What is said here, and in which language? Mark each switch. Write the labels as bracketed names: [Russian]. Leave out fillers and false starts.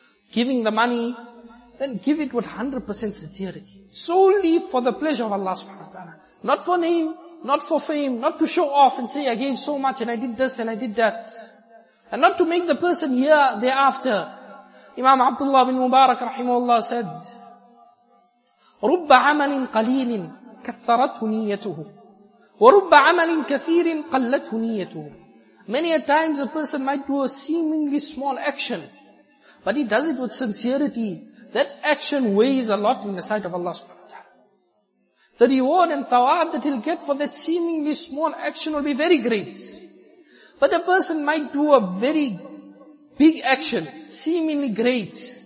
[English] Giving the money, then give it with 100% sincerity. Solely for the pleasure of Allah subhanahu wa ta'ala. Not for name, not for fame, not to show off and say, I gave so much and I did this and I did that. And not to make the person hear thereafter. Imam Abdullah bin Mubarak rahimahullah said, [Arabic] رُبَّ عَمَلٍ قَلِيلٍ كَثَّرَتْهُ نِيَّتُهُ وَرُبَّ عَمَلٍ كَثِيرٍ قَلَّتْهُ نِيَّتُهُ. [English] Many a times a person might do a seemingly small action, but he does it with sincerity. That action weighs a lot in the sight of Allah subhanahu wa ta'ala. The reward and thawab that he'll get for that seemingly small action will be very great. But a person might do a very big action, seemingly great.